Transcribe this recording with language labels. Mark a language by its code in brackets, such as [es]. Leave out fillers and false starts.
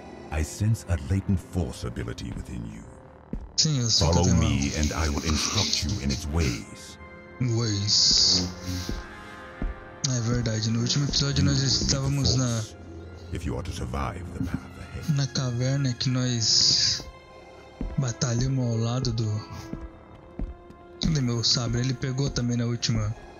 [en] I sense a latent force ability within you. [pt] Sim, eu sou. [en] Follow me and I will instruct you in its ways. Ways. [pt] É verdade, no último episódio nós estávamos na [en] If you are to survive the path ahead. [pt] Na caverna que nós batalhamos ao lado do meu sabre, ele pegou também na última.